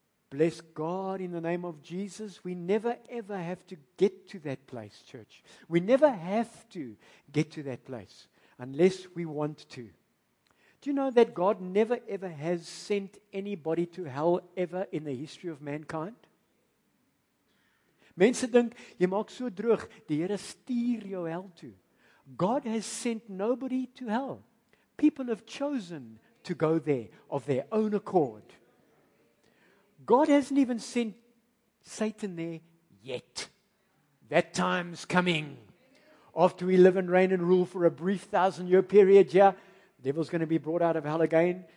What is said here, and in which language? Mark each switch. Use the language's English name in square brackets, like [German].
[English] Bless God in the name of Jesus. We never ever have to get to that place, church. We never have to get to that place unless we want to. Do you know that God never ever has sent anybody to hell ever in the history of mankind? [Afrikaans] Mense dink, jy maak so droog, die Here stuur jou hel toe. [English] God has sent nobody to hell. People have chosen to go there of their own accord. God hasn't even sent Satan there yet. That time's coming. After we live and reign and rule for a brief 1,000-year period, yeah, the devil's going to be brought out of hell again.